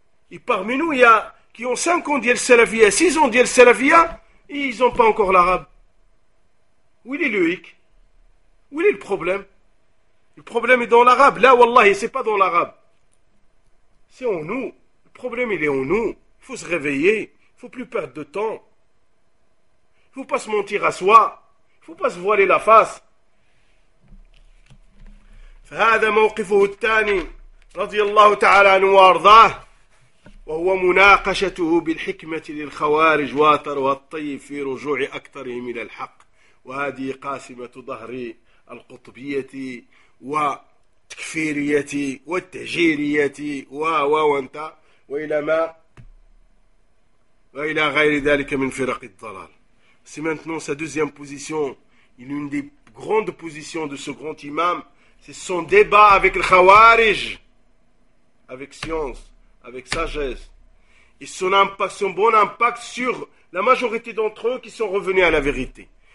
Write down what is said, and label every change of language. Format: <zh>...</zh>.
<fr>Et parmi nous, il y a qui ont 5 ans d'yel salafia, 6 ans d'yel salafia, et ils n'ont pas encore l'arabe. Où est le hic? Où est le problème? Le problème est dans l'arabe. Là, wallahi, ce n'est pas dans l'arabe. C'est en nous. Le problème, il est en nous. Il faut se réveiller. Il ne faut plus perdre de temps. Il ne faut pas se mentir à soi. Il ne faut pas se voiler la face.</fr> <ar>فهذا موقفه الثاني رضي الله تعالى عنه وارضاه وهو مناقشته بالحكمة للخوارج واثرها الطيب في رجوع أكثرهم إلى الحق وهذه قاسمة ظهر القطبية والتكفيرية والتجيرية وانت وإلى ما وإلى غير ذلك من فرق الضلال.</ar> <fr>C'est maintenant sa deuxième position, une des grandes positions de ce grand imam, c'est son débat avec le khawarij, avec science, avec sagesse, et son impact, son bon impact sur la majorité d'entre eux qui sont revenus à la vérité.</fr>